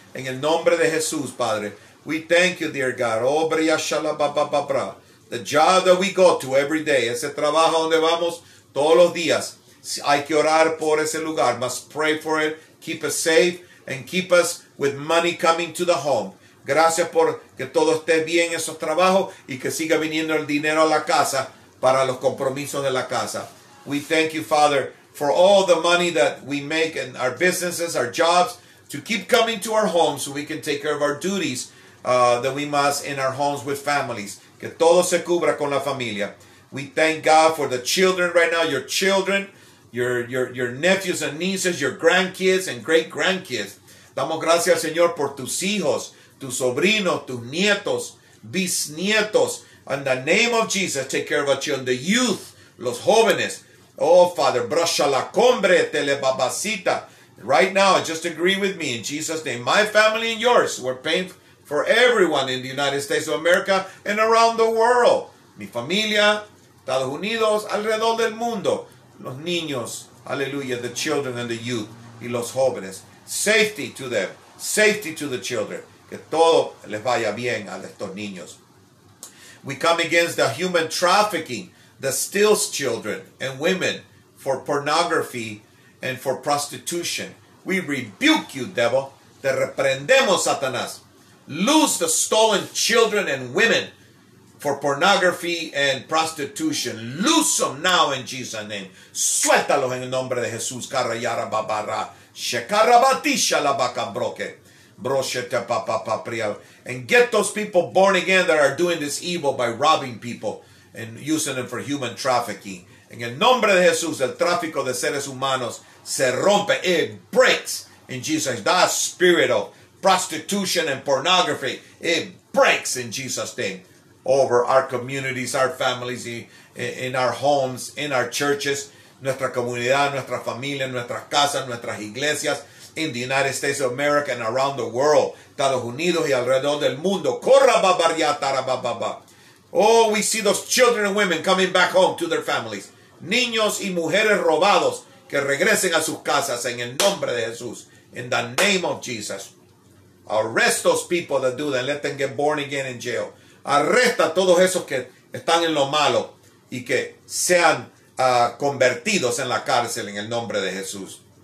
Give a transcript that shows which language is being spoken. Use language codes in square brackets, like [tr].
[es] En el nombre de Jesús, Padre. [en] We thank you, dear God. The job that we go to every day. [es] Ese trabajo donde vamos todos los días. Hay que orar por ese lugar. [en] Must pray for it. Keep us safe and keep us with money coming to the home. [es] Gracias por que todo esté bien en esos trabajos y que siga viniendo el dinero a la casa para los compromisos de la casa. [en] We thank you, Father, for all the money that we make in our businesses, our jobs. to keep coming to our homes so we can take care of our duties that we must in our homes with families. [es] Que todo se cubra con la familia. [en] We thank God for the children right now, your children, your nephews and nieces, your grandkids and great-grandkids. [es] Damos gracias, Señor, por tus hijos, tus sobrinos, tus nietos, bisnietos. [en] In the name of Jesus, take care of our children, the youth, [es] los jóvenes. [en] Oh, Father, brasha la cumbre, telebabacita. Right now, just agree with me in Jesus' name. My family and yours, we're praying for everyone in the United States of America and around the world. [es] Mi familia, Estados Unidos, alrededor del mundo. Los niños, aleluya, [en] the children and the youth, [es] y los jóvenes. [en] Safety to them, safety to the children. [es] Que todo les vaya bien a estos niños. [en] We come against the human trafficking that steals children and women for pornography and for prostitution. We rebuke you, devil. [es] Te reprendemos, Satanás. [en] Lose the stolen children and women for pornography and prostitution. Lose them now in Jesus' name. [es] Suéltalos en el nombre de Jesús. Carayara babara. Shekarabatisha la vaca broke. Brochete papa papria. [en] And get those people born again that are doing this evil by robbing people and using them for human trafficking. [es] En el nombre de Jesús, el tráfico de seres humanos se rompe. [en] It breaks in Jesus. That spirit of prostitution and pornography, it breaks in Jesus' name. Over our communities, our families, in our homes, in our churches, [es] nuestra comunidad, nuestra familia, nuestras casas, nuestras iglesias, [en] in the United States of America and around the world, [es] Estados Unidos y alrededor del mundo. Corra babaria tarabababa. [en] Oh, we see those children and women coming back home to their families. [es] Niños y mujeres robados que regresen a sus casas en el nombre de Jesús. [en] In the name of Jesus. Arrest those people that do that. Let them get born again in jail. [es] Arresta a todos esos que están en lo malo y que sean convertidos en la cárcel en el nombre de Jesús.